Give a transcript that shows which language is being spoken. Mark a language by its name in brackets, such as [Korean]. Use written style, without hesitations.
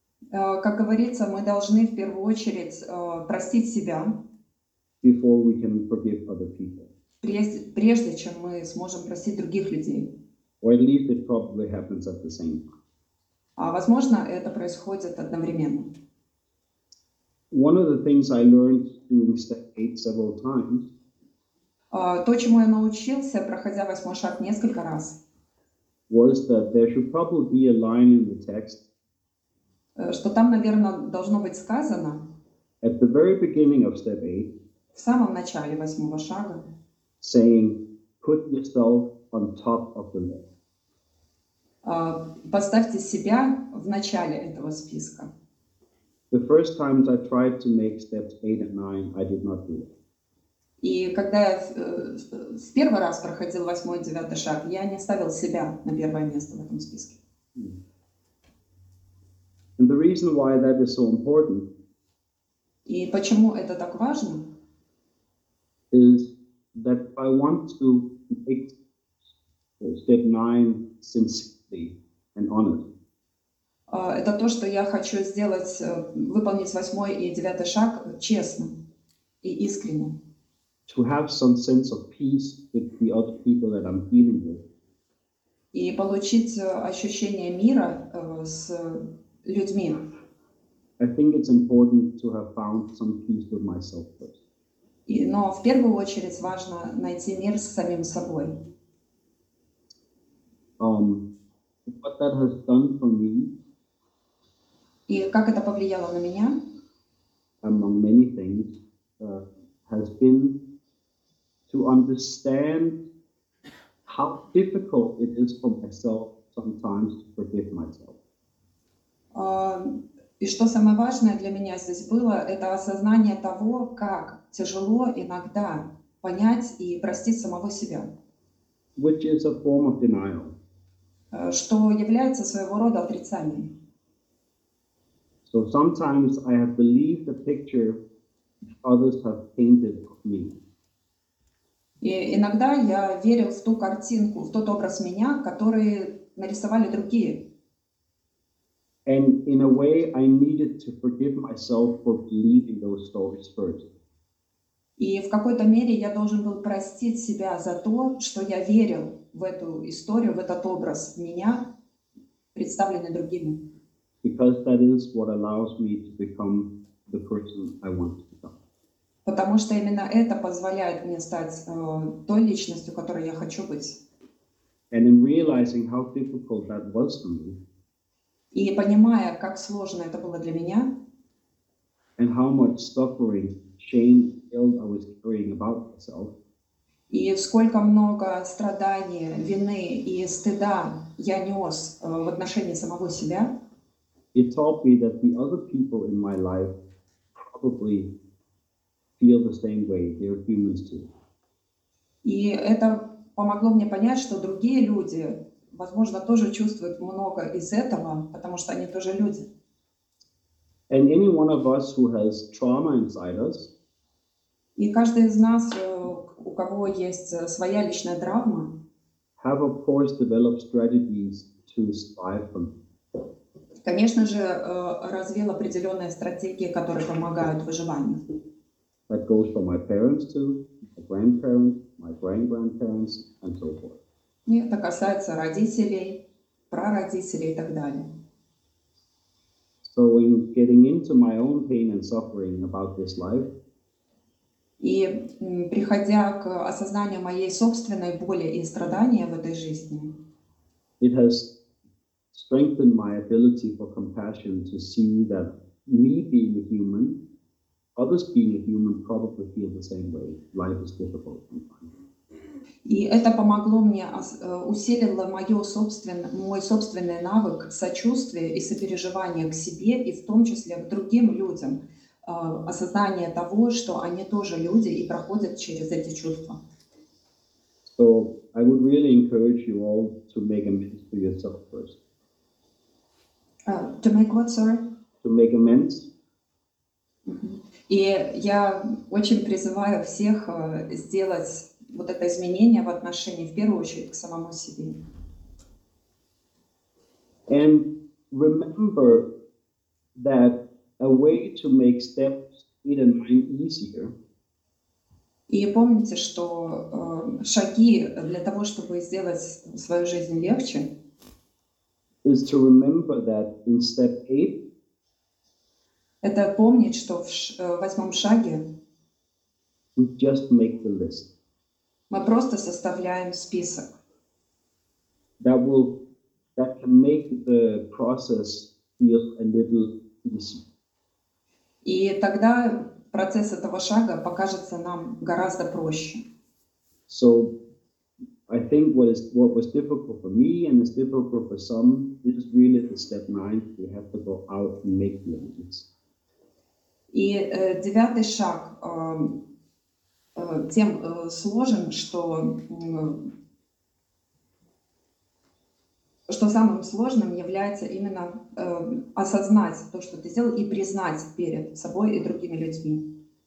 [Russian] Как говорится, мы должны в первую очередь простить себя. [English] Before we can forgive other people. [Russian] Прежде чем мы сможем простить других людей. [English] Or at least it probably happens at the same time. [Russian] А возможно, это происходит одновременно. [English] One of the things I learned doing step 8 several times. [Russian] То, чему я научился, проходя восьмой шаг несколько раз. [English] Was that there should probably be a line in the text. [Russian] Что там, наверное, должно быть сказано. [English] At the very beginning of step 8. [Russian] В самом начале восьмого шага. [English] Saying, put yourself on top of the list. [Russian] Поставьте себя в начале этого списка. [English] The first times I tried to make steps 8 and 9, I did not do it. [Russian] И когда я в первый раз проходил восьмой и девятый шаг, я не ставил себя на первое место в этом списке. [English] And the reason why that is so important. [Russian] И почему это так важно? [English] Is that I want to make step 9 sincerely and honestly. [Russian] Это то, что я хочу сделать, выполнить восьмой и девятый шаг честно и искренне. [English] To have some sense of peace with the other people that I'm dealing with. [Russian] И получить ощущение мира с людьми. [English] I think it's important to have found some peace with myself first. [Russian] Но в первую очередь важно найти мир с самим собой. [English] What that has done for me. [Russian] И как это повлияло на меня? [English] Among many things, has been to understand how difficult it is for myself sometimes to forgive myself. [Russian] И что самое важное для меня здесь было, это осознание того, как тяжело иногда понять и простить самого себя. [English] Which is a form of denial. [Russian] Что является своего рода отрицанием. [English] So sometimes I have believed the picture others have painted of me. [Russian] И иногда я верил в ту картинку, в тот образ меня, который нарисовали другие. [English] And in a way, I needed to forgive myself for believing those stories first. [Russian] И в какой-то мере я должен был простить себя за то, что я верил в эту историю, в этот образ меня, представленный другими. [English] Because that is what allows me to become the person I want to become. [Russian] Потому что именно это позволяет мне стать той личностью, которой я хочу быть. [English] And in realizing how difficult that was for me. [Russian] И понимая, как сложно это было для меня. [English] And how much suffering, shame, guilt I was carrying about myself. [Russian] И сколько много страданий, вины и стыда я нес в отношении самого себя. [English] It taught me that the other people in my life probably feel the same way. They're humans too. [Russian] И это помогло мне понять, что другие люди, возможно, тоже чувствуют много из этого, потому что они тоже люди. [English] And any one of us who has trauma inside us. [Russian] И каждый из нас, у кого есть своя личная травма. [English] Have of course developed strategies to survive from. [Russian] Конечно же, развил определенные стратегии, которые помогают выживанию. [English] That goes for my parents too, my grandparents, my great-grandparents, and so forth. [Russian] И это касается родителей, прародителей и так далее. [English] So in getting into my own pain and suffering about this life. [Russian] И приходя к осознанию моей собственной боли и страдания в этой жизни. [English] It has strengthened my ability for compassion to see that me being a human, others being a human probably feel the same way. Life is difficult sometimes. [Russian] И это помогло мне, усилило мой собственный навык сочувствия и сопереживания к себе и в том числе к другим людям, осознание того, что они тоже люди и проходят через эти чувства. [English] So I would really encourage you all to make amends for yourself first. To make what, sorry? To make amends. [Russian] И я очень призываю всех сделать вот это изменение в отношении, в первую очередь, к самому себе. [English] And remember that a way to make steps in and mind easier. [Russian] И помните, что шаги для того, чтобы сделать свою жизнь легче, [English] is to remember that in step 8. [Russian] Это помнить, что в восьмом шаге [English] we just make the list. [Russian] Мы просто составляем список. [English] That can make the process feel a little easier. [Russian] И тогда процесс этого шага покажется нам гораздо проще. [English] So, I think what was difficult for me and is difficult for some, this is really the step 9. We have to go out and make the amends. [Russian] И девятый шаг тем сложен, что что самым сложным является именно осознать то, что ты сделал, и признать перед собой и другими людьми.